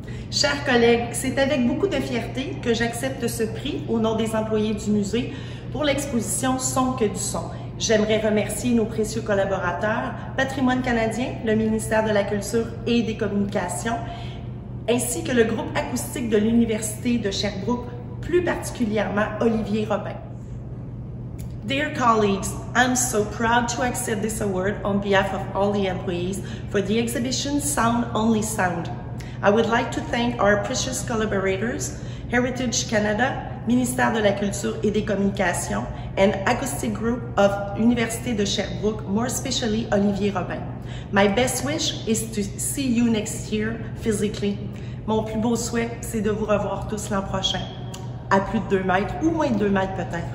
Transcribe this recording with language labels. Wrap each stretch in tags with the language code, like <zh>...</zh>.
<fr>Chers collègues, c'est avec beaucoup de fierté que j'accepte ce prix au nom des employés du musée pour l'exposition « Son que du son ». J'aimerais remercier nos précieux collaborateurs, Patrimoine canadien, le ministère de la Culture et des Communications, ainsi que le groupe acoustique de l'Université de Sherbrooke, plus particulièrement Olivier Robin.</fr> <en>Dear colleagues, I'm so proud to accept this award on behalf of all the employees for the exhibition Sound Only Sound. I would like to thank our precious collaborators, Heritage Canada, Ministère de la Culture et des Communications, and Acoustic Group of Université de Sherbrooke, more especially Olivier Robin. My best wish is to see you next year physically.</en> <fr>Mon plus beau souhait, c'est de vous revoir tous l'an prochain, à plus de 2 mètres, ou moins de 2 mètres peut-être.</fr>